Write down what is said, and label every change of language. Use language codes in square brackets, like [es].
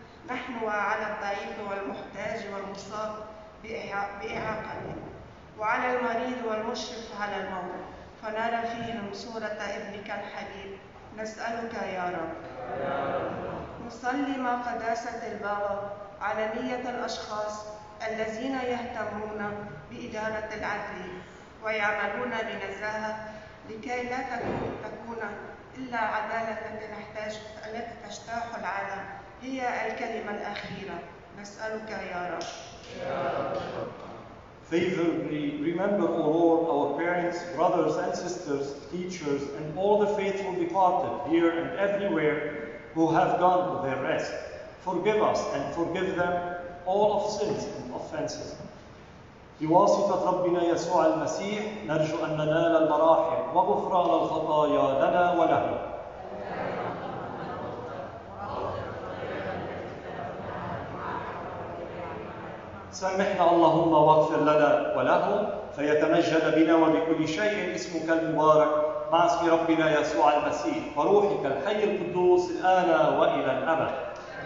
[ar] نحن وعلى الضعيف والمحتاج والمصاب بإعاقتك وعلى المريض والمشرف على الموت فنرى فيهم صورة ابنك الحبيب نسألك يا رب نسلم قداسة البابا على نية الأشخاص الذين يهتمون بإدارة العدل ويعملون بنزاهة لكي لا تكون إلا عدالة التي تجتاح العالم هي الكلمة الأخيرة نسألك يا رب [en] Favorably remember, O Lord, our parents, brothers and sisters, teachers, and all the faithful departed here and everywhere who have gone to their rest. Forgive us and forgive them all of sins and of offenses. [ar] بواسطة ربنا يسوع المسيح نرجو أن ننال المراحم وغفران الخطايا لنا وله. سامحنا اللهم واغفر لنا ولهم فيتمجد بنا وبكل شيء اسمك المبارك مع اسم ربنا يسوع المسيح وروحك الحي القدوس الآن وإلى الأبد.